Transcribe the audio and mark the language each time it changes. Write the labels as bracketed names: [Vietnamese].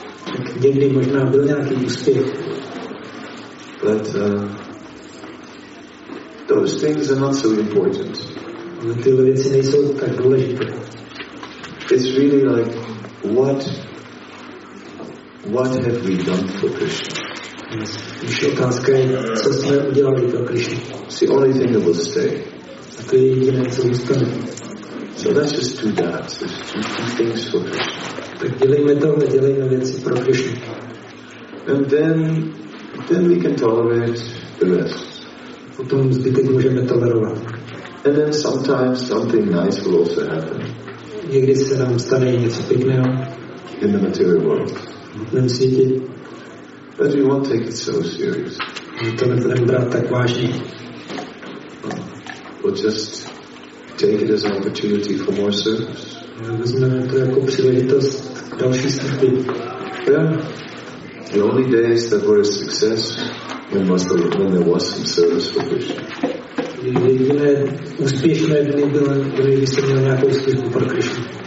[Czech] Tak někdy možná byl nějaký úspěch. [English] But those things are not so important. [Czech] Ale tyhle věci nejsou tak důležité. [English] It's really like, what have we done for Krishna? [Czech] Když je otázka, co jsme udělali pro Krishna. [English] It's the only thing that will stay. [Czech] A to je jediné, co zůstane. [English] So let's just do that. Let's just do things for Krishna. [Czech] Tak dělejme to, nedělejme věci pro Krishna. [English] And then we can tolerate the rest. [Czech] Potom zbytek můžeme tolerovat. [English] And then sometimes something nice will also happen. [Czech] Někdy se nám stane něco pěkného. [English] In the material world. [Czech] Na světě. [English] But we won't take it so serious. [Czech] To nebudeme brát tak vážně. [English] We'll just Take it as an opportunity for more service. [Czech] Vezmeme to jako příležitost k další službě. [English] The only days that were a success when there was some service for Krishna. [Czech] Jediné úspěšné dny byly, když jsem měl nějakou službu pro Krishna.